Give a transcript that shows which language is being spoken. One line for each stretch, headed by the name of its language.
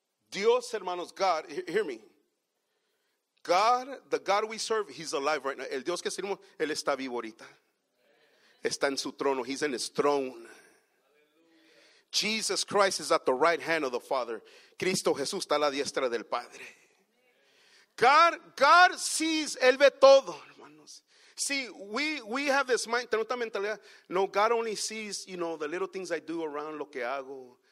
Spanish: Dios, hermanos,
English: God, hear me. God, the God we serve, he's alive right now.
Spanish: El Dios que servimos, él está vivo ahorita. Está en su trono.
English: He's in his throne. Jesus Christ is at the right hand of the Father.
Spanish: Cristo Jesús está a la diestra del Padre.
English: God sees,
Spanish: él ve todo, hermanos.
English: See, we have this mind,
Spanish: tenemos esta mentalidad.
English: No, God only sees, you know, the little things I do around
Spanish: lo que hago.